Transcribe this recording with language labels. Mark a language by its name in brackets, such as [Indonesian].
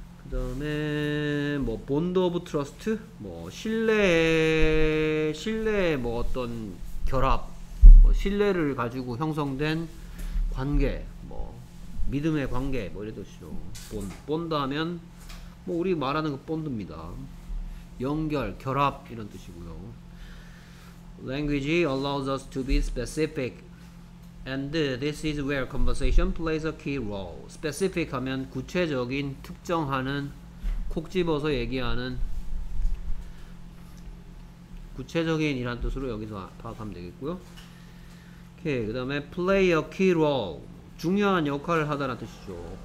[Korean] 그 다음에 뭐 [English] bond of trust [Korean] 뭐 신뢰의 뭐 어떤 결합 뭐 신뢰를 가지고 형성된 관계 뭐 믿음의 관계 뭐 이런 뜻이죠. bond 하면 뭐 우리 말하는 그 bond입니다. 연결 결합 이런 뜻이고요. [English] Language allows us to be specific and this is where conversation plays a key role. [Korean] specific 하면 구체적인 특정하는 콕 집어서 얘기하는 구체적인 이란 뜻으로 여기서 파악하면 되겠고요. 오케이. 그 다음에 [English] play a key role [Korean] 중요한 역할을 하다라는 뜻이죠.